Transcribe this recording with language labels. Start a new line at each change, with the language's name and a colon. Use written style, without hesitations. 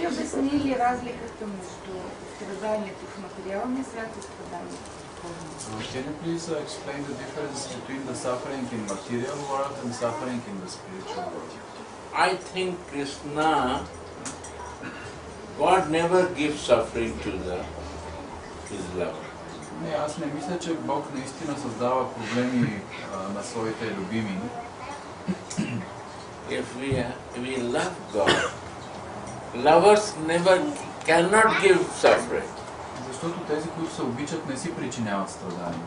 Bulgarian: Ти ли обяснили разликата между страданието в материалния свят и страданието в космоса?
English: Can you please explain the difference between the suffering in material world and suffering in the spiritual world? I think Krishna, God never gives suffering to his lover.
Bulgarian: Не, аз не мисля, че Бог наистина създава проблеми на своите любими.
English: If we love God, lovers never cannot give suffering.
Bulgarian: Защото тези, които се обичат, не си причиняват страдания.